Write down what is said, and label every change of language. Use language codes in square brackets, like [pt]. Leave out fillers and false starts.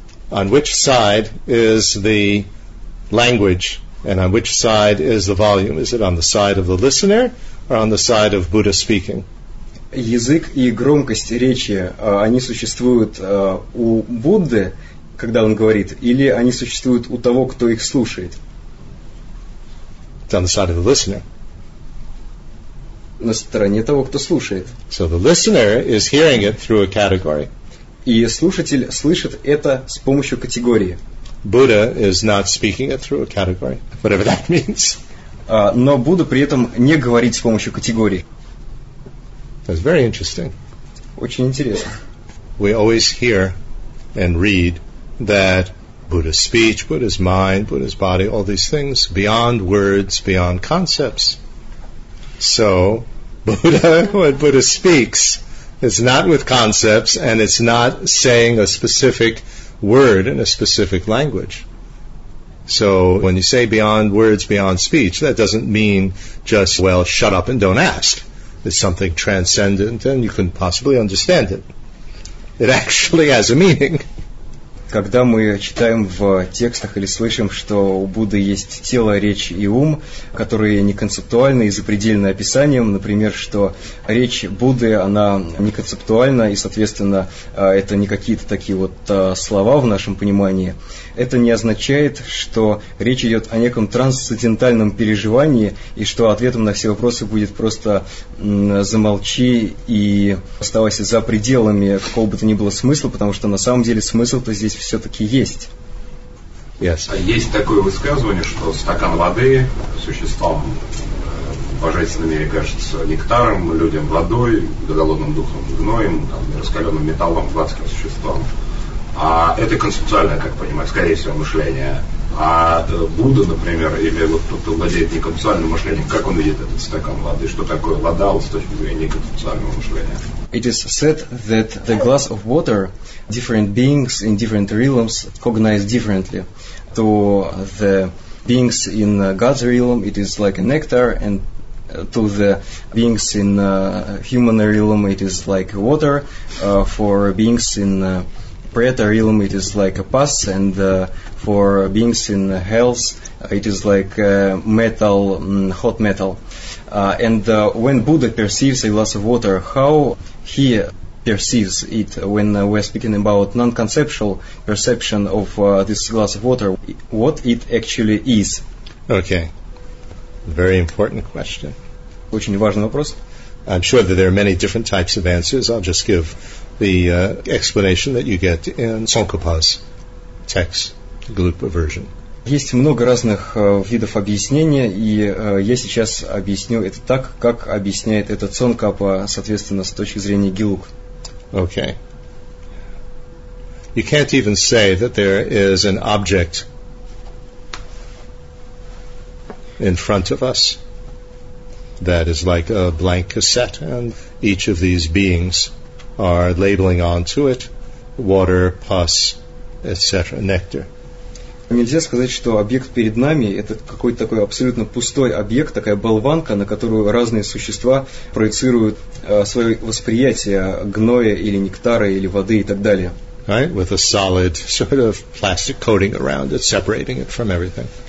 [en] On which side is the language, and on which side is the volume? Is it on the side of the listener, or on the side of Buddha speaking? [ru] язык и громкость речи, они существуют у Будды, когда он говорит, или они существуют у того, кто их слушает? [en] It's on the side of the listener. [ru] На стороне того, кто слушает. [en] So the listener is hearing it through a category. [ru] И слушатель слышит это с помощью категории. [en] Buddha is not speaking it through a category, whatever that means. [ru] Но Будда при этом не говорит с помощью категории. [en] That's very interesting. [ru] Очень интересно. [en] We always hear and read that Buddha's speech, Buddha's mind, Buddha's body, all these things beyond words, beyond concepts. So, Buddha, when Buddha speaks, it's not with concepts and it's not saying a specific word in a specific language. So when you say beyond words, beyond speech, that doesn't mean just, well, shut up and don't ask. It's something transcendent and you couldn't possibly understand it. It actually has a meaning. [ru] Когда мы читаем в текстах или слышим, что у Будды есть тело, речь и ум, которые не концептуальны и запредельны описанием, например, что речь Будды, она не концептуальна, и, соответственно, это не какие-то такие вот слова в нашем понимании, это не означает, что речь идет о неком трансцендентальном переживании, и что ответом на все вопросы будет просто замолчи и оставайся за пределами какого бы то ни было смысла, потому что на самом деле смысл-то здесь все-таки есть. [en] Yes. [ru] Есть такое высказывание, что стакан воды существам божественными кажется нектаром, людям водой, голодным духом гноем, раскаленным металлом, гладким существом. А это концептуальное, как понимать, скорее всего, мышление. А Будда, например, или вот тот, кто владеет неконцептуальным мышлением, как он видит этот стакан воды? Что такое вода с точки зрения неконцептуального мышления? [en] It is said that the glass of water, different beings in different realms cognize differently. To the beings in God's realm, it is like a nectar, and to the beings in human realm, it is like water. For beings in preta realm, it is like a pus, and for beings in hells, it is like metal, hot metal. And when Buddha perceives a glass of water, how he perceives it when we're speaking about non-conceptual perception of this glass of water, what it actually is? Okay. Very important question. [ru] Очень важный вопрос. [en] I'm sure that there are many different types of answers. I'll just give the explanation that you get in Tsongkhapa's text, Gelugpa version. [ru] Есть много разных видов объяснения, и я сейчас объясню это так, как объясняет это Цонкапа, соответственно, с точки зрения Гилук. [en] Okay. You can't even say that there is an object in front of us that is like a blank cassette, and each of these beings are labeling onto it water, pus, etc., nectar. [ru] Нельзя сказать, что объект перед нами – это какой-то такой абсолютно пустой объект, такая болванка, на которую разные существа проецируют свое восприятие гноя или нектара, или воды и так далее. [en] Right, with a solid sort of plastic coating around it, separating it from everything.